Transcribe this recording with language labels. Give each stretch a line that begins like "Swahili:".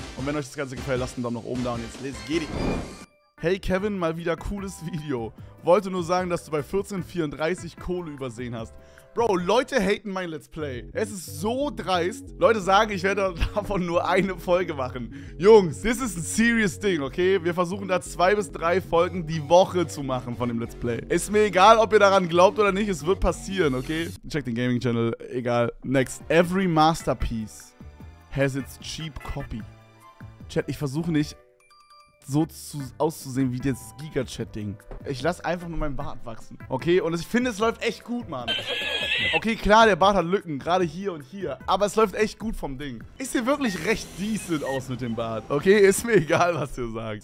German: Und wenn euch das Ganze gefällt, lasst einen Daumen nach oben da und jetzt
English: let's get it.
German: Hey Kevin, mal wieder cooles Video. Wollte nur sagen, dass du bei 1434 Kohle übersehen hast. Bro, Leute haten mein Let's Play. Es ist so dreist. Leute sagen, ich werde davon nur eine Folge machen.
English: Jungs, this is a serious thing, okay?
German: Wir versuchen da 2 bis 3 Folgen die Woche zu machen von dem Let's Play. Ist mir egal, ob ihr daran glaubt oder nicht. Es wird passieren, okay? Check den Gaming Channel. Egal. Next.
English: Every masterpiece has its cheap copy.
German: Chat, ich versuche nicht so auszusehen wie das Giga-Chat-Ding. Ich lasse einfach nur meinen Bart wachsen. Okay? Und ich finde, es läuft echt gut, Mann. Okay, klar, der Bart hat Lücken, gerade hier und hier. Aber es läuft echt gut vom Ding. Ist hier wirklich recht decent aus mit dem Bart? Okay, ist mir egal, was ihr sagt.